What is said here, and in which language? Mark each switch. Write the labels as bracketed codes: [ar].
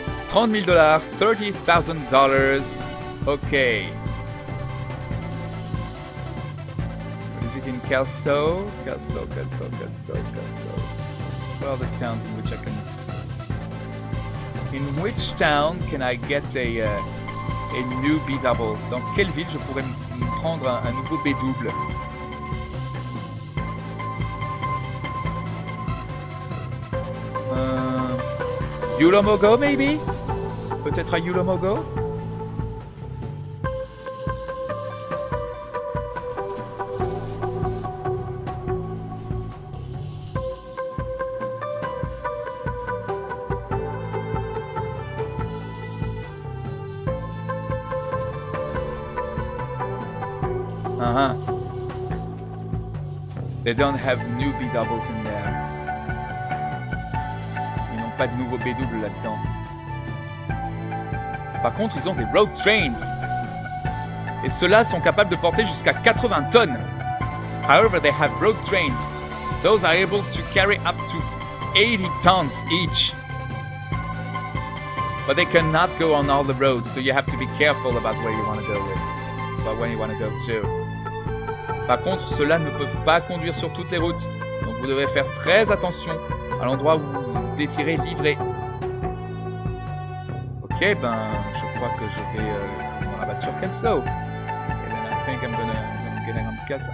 [en] $30,000. $30,000. Okay. Is it in Kelso? Kelso. Where are the towns in which I can... In which town can I get a new B-double? [fr] Dans quelle ville je pourrais me prendre un nouveau B-double? Yulomogo, [en] maybe? [fr] Peut-être à Yulomogo? [en] They don't have new B doubles in there. [fr] Ils n'ont pas de nouveaux B doubles là-dedans. Par contre, ils ont des road trains. Et ceux-là sont capables de porter jusqu'à 80 tonnes. [en] However, they have road trains. Those are able to carry up to 80 tons each. But they cannot go on all the roads, so you have to be careful about where you want to go with. About when you want to go to. [fr] Par contre, ceux-là ne peuvent pas conduire sur toutes les routes. Donc vous devez faire très attention à l'endroit où vous désirez livrer. Ok, ben, je crois que je vais me rabattre sur Kelso. [en] Et then I think I'm gonna get on Kelso.